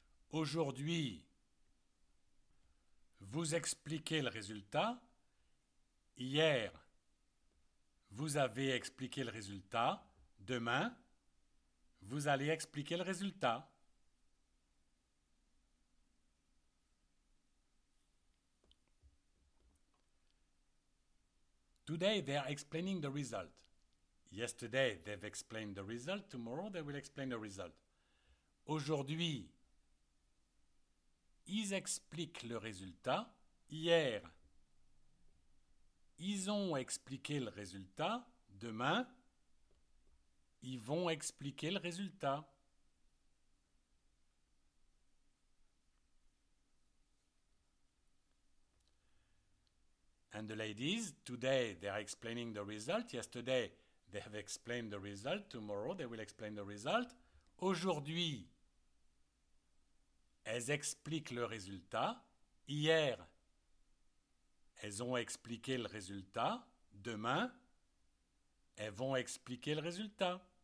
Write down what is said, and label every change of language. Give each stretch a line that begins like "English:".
French: Aujourd'hui, vous expliquez le résultat. Hier, vous avez expliqué le résultat. Demain, vous allez expliquer le résultat.
English: Today, they are explaining the result. Yesterday, they've explained the result. Tomorrow, they will explain the result.
French: Aujourd'hui, ils expliquent le résultat. Hier, ils ont expliqué le résultat. Demain, ils vont expliquer le résultat.
English: And the ladies, today they are explaining the result. Yesterday, they have explained the result. Tomorrow, they will explain the result.
French: Aujourd'hui, elles expliquent le résultat. Hier, elles ont expliqué le résultat. Demain, elles vont expliquer le résultat.